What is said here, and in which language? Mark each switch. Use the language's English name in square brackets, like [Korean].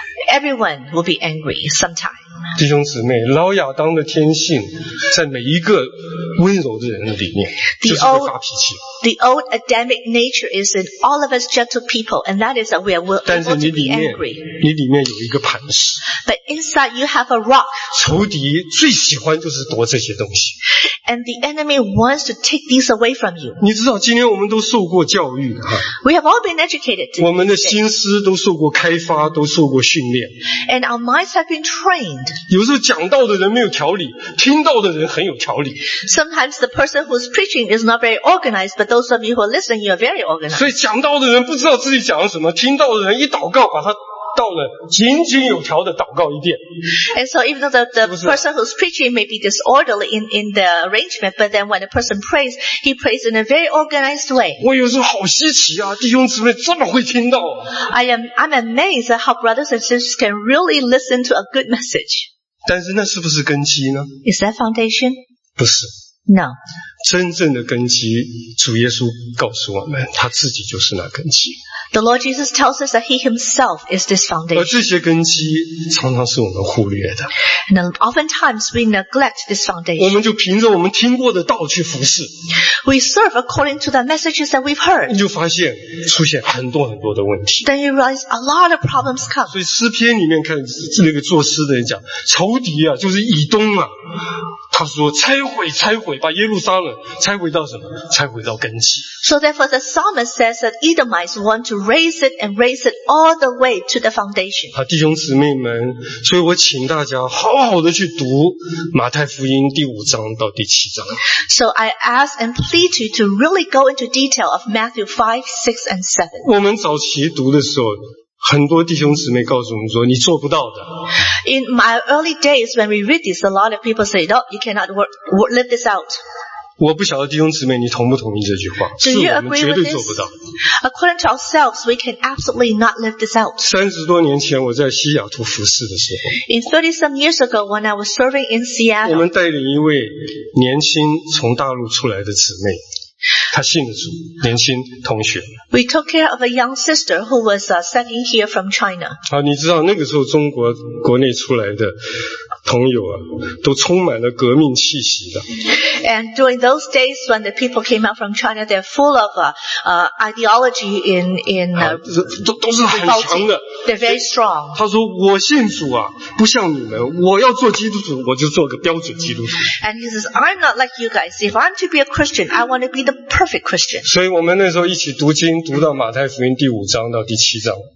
[English] Everyone will be angry sometime. [Chinese] 弟兄姊妹，老亚当的天性在每一个温柔的人里面就是会发脾气。 [English] The old Adamic nature is in all of us gentle people, and that is that we are willing to be angry. [Chinese] 你里面有一个磐石。 [English] But inside you have a rock. [Chinese] 仇敌最喜欢就是夺这些东西。 [English] And the enemy wants to take these away from you. [Chinese] 你知道今天我们都受过教育。 [English] We have all been educated. [Chinese] 我们的心思都受过开发，都受过训练。 [English] And our minds have been trained. [Chinese] 有时候讲到的人没有条理，听到的人很有条理。 [English] Sometimes the person who's preaching is not very organized, but those of you who are listening, you are very organized. [Chinese] 所以讲到的人不知道自己讲什么，听到的人一祷告把他到了井井有条的祷告一遍。 [English] And so even though the person who's preaching may be disorderly in the arrangement, but then when a person prays, he prays in a very organized way. [Chinese] 我有时候好稀奇啊，弟兄姊妹这么会听到。 [English] I'm amazed at how brothers and sisters can really listen to a good message. [Chinese] 但是那是不是根基呢？ [English] Is that foundation? [Chinese] 不是。 [English] No. [Chinese] 真正的根基，主耶稣告诉我们，他自己就是那根基。 [English] The Lord Jesus tells us that He Himself is this foundation. [Chinese] 而这些根基常常是我们忽略的。 [English] And oftentimes we neglect this foundation. [Chinese] 我们就凭着我们听过的道去服事。 [English] We serve according to the messages that we've heard. [Chinese] 你就发现出现很多很多的问题。 [English] Then you realize a lot of problems come. [Chinese] 所以诗篇里面看那个作诗的人讲，仇敌啊，就是以东啊。他说拆毁拆毁，把耶路撒冷拆毁到什么？拆毁到根基。 [English] So therefore the psalmist says that Edomites want to raise it and raise it all the way to the foundation. [Chinese] 好，弟兄姊妹们，所以我请大家好好的去读马太福音第五章到第七章。 [English] So I ask and plead you to really go into detail of Matthew 5, 6 and 7. [Chinese] 我们早期读的时候，很多弟兄姊妹告诉我们说你做不到的。 [English] In my early days when we read this, a lot of people say, no, you cannot live this out. [Chinese] 我不晓得弟兄姊妹你同不同意这句话，是我们绝对做不到。 [English] According to ourselves, we can absolutely not live this out. [Chinese] 30多年前我在西雅图服事的时候， [English] In 30 some years ago when I was serving in Seattle, [Chinese] 我们带领一位年轻从大陆出来的姊妹，他信得住，年轻同学。 [English] We took care of a young sister who was studying here from China. [Chinese] 啊，你知道那个时候中国国内出来的朋友啊，都充满了革命气息的。 [English] And during those days when the people came out from China, they're full of ideology in [Chinese] 都是很强的。 [English] They're very strong. [Chinese] 他说我信主啊，不像你们，我要做基督徒，我就做个标准基督徒。 [English] And he says, I'm not like you guys. If I'm to be a Christian, I want to be the perfect Christian. [Chinese] 所以我们那时候一起读经，读到马太福音第五章到第七章。